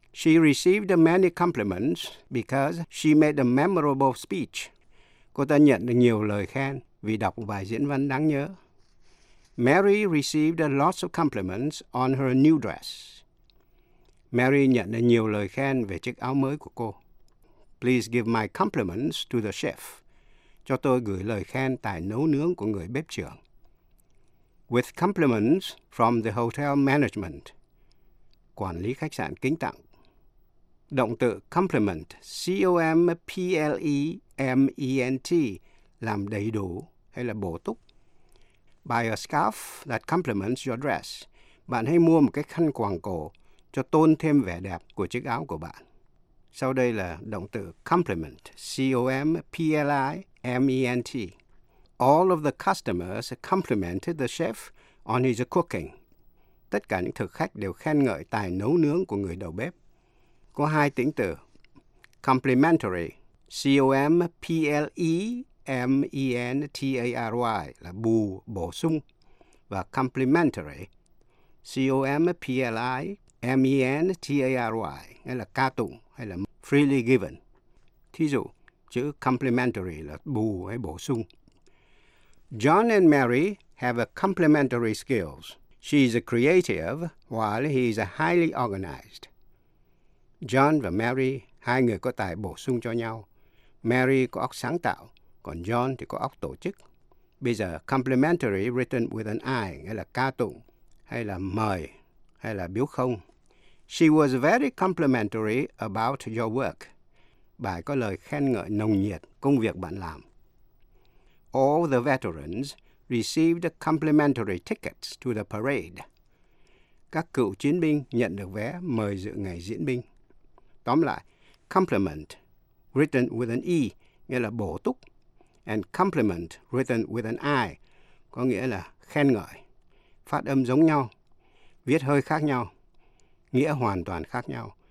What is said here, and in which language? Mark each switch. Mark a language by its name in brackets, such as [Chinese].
[English] She received many compliments because she made a memorable speech. [Vietnamese] Cô ta nhận được nhiều lời khen vì đọc một bài diễn văn đáng nhớ. [English] Mary received lots of compliments on her new dress. [Vietnamese] Mary nhận được nhiều lời khen về chiếc áo mới của cô. [English] Please give my compliments to the chef. [Vietnamese] Cho tôi gửi lời khen tài nấu nướng của người bếp trưởng. [English] With compliments from the hotel management. [Vietnamese] Quản lý khách sạn kính tặng. Động từ compliment, C-O-M-P-L-E-M-E-N-T, làm đầy đủ hay là bổ túc. [English] Buy a scarf that complements your dress. [Vietnamese] Bạn hãy mua một cái khăn quàng cổ cho tôn thêm vẻ đẹp của chiếc áo của bạn. Sau đây là động từ compliment, C-O-M-P-L-I-M-E-N-T. [English] All of the customers complimented the chef on his cooking. [Vietnamese] Tất cả những thực khách đều khen ngợi tài nấu nướng của người đầu bếp. Có hai tính từ. Complimentary, C-O-M-P-L-E-M-E-N-T-A-R-Y là bù, bổ sung. Và complimentary, C-O-M-P-L-I-M-E-N-T-A-R-Y nghĩa là ca tụng hay là [English] freely given. [Vietnamese] Thí dụ, chữ complimentary là bù hay bổ sung. [English] John and Mary have a complementary skills. She is a creative while he is a highly organized. [Vietnamese] John và Mary, hai người có tài bổ sung cho nhau. Mary có óc sáng tạo, còn John thì có óc tổ chức. Bây giờ, complimentary [English] written with an I, [Vietnamese] nghĩa là ca tụng, hay là mời, hay là biếu không. [English] She was very complimentary about your work. [Vietnamese] Bà có lời khen ngợi nồng nhiệt công việc bạn làm. [English] All the veterans received complimentary tickets to the parade. [Vietnamese] Các cựu chiến binh nhận được vé mời dự ngày diễn binh. Tóm lại, compliment [English] written with an E [Vietnamese] nghĩa là bổ túc and compliment [English] written with an I [Vietnamese] có nghĩa là khen ngợi. Phát âm giống nhau, viết hơi khác nhau, nghĩa hoàn toàn khác nhau.